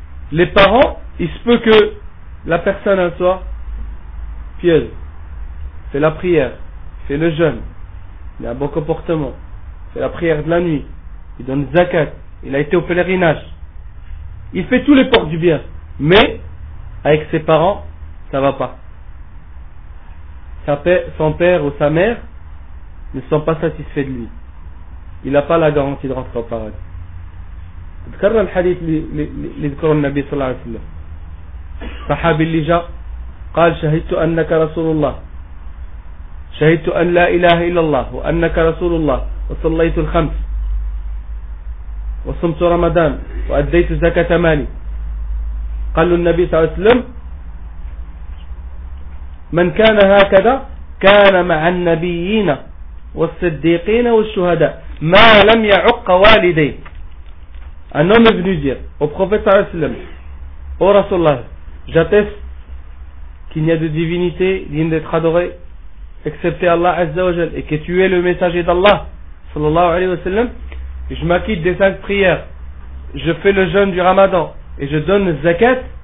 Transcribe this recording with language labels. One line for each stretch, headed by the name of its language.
French: les parents, il se peut que la personne un soir pieuse, fait la prière, fait le jeûne, il a un bon comportement, fait la prière de la nuit, il donne zakat, il a été au pèlerinage, il fait tous les portes du bien, mais avec ses parents, ça va pas. Son père ou sa mère ne sont pas satisfaits de lui. Il n'a pas la garantie de rentrer au paradis.
Arabic: ذكر الحديث اللي ذكره النبي صلى الله عليه وسلم صحابي اللي جاء قال شهدت أنك رسول الله شهدت أن لا إله إلا الله وأنك رسول الله وصليت الخمس وصمت رمضان وأديت زكاة مالي. قال النبي صلى الله عليه وسلم من كان هكذا كان مع النبيين والصديقين والشهداء ما لم يعق والديه.
French: Un homme est venu dire au prophète sallallahu alayhi wa sallam, oh Rasulallah, j'atteste qu'il n'y a de divinité digne d'être adoré excepté Allah azza wa jal, et que tu es le messager d'Allah sallallahu alayhi wa sallam. Je m'acquitte des cinq prières, je fais le jeûne du ramadan et je donne le zakat.